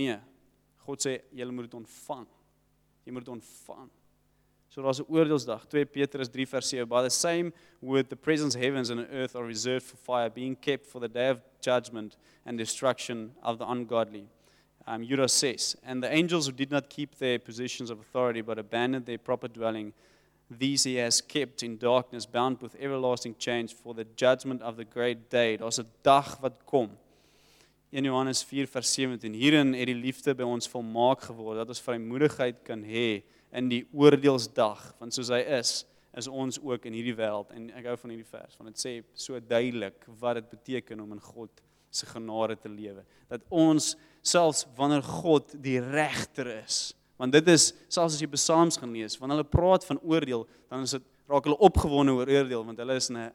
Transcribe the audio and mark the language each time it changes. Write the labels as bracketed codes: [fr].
[af] Nee, God sê, jy moet dit ontvang. Jy moet dit ontvang. So daar is 'n oordeelsdag, 2 Petrus 3 vers 7, [en] by the same word the present heavens and earth are reserved for fire, being kept for the day of judgment and destruction of the ungodly. Judas 6, and the angels who did not keep their positions of authority, but abandoned their proper dwelling, these he has kept in darkness, bound with everlasting chains for the judgment of the great day. [af] Daar is 'n dag wat kom. 1 Johannes 4 vers 17, hierin het die liefde by ons volmaak geword, dat ons vrymoedigheid kan hê, in die oordeelsdag, want soos hy is, is ons ook in hierdie wêreld, en ek hou van hierdie vers, want het sê so duidelik wat het beteken om in God se genade te lewe, dat ons, selfs wanneer God die regter is, want dit is, selfs as jy Psalms gaan lees, wanneer hulle praat van oordeel, dan is het, raak hulle opgewonde oor oordeel, want hulle is